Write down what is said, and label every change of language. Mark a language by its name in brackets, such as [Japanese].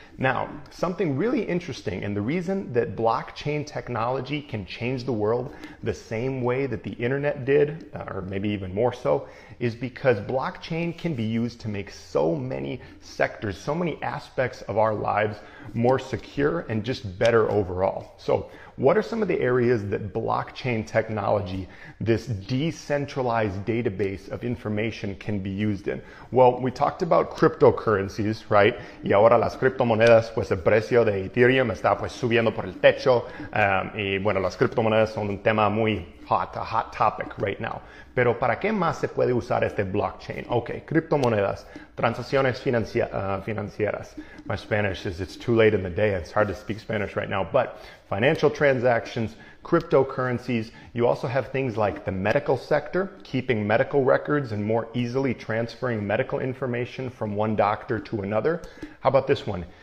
[English] Now, something really interesting, and the reason that blockchain technology can change the world the same way that the internet did, or maybe even more so, is because blockchain can be used to make so many sectors, so many aspects of our lives more secure and just better overall. So, what are some of the areas that blockchain technology, this decentralized database of information, can be used in? Well, we talked about cryptocurrencies, right? [Spanish] Y ahora las criptomonedas, pues el precio de Ethereum está pues subiendo por el techo. Y bueno, las criptomonedas son un tema muy hot, [English] a hot topic right now. [Spanish] Pero ¿para qué más se puede usar este blockchain? Okay, criptomonedas, transacciones financieras. [English] My Spanish is, it's too late in the day. It's hard to speak Spanish right now. But financial transactions, cryptocurrencies. You also have things like the medical sector, keeping medical records and more easily transferring medical information from one doctor to another. How about this one?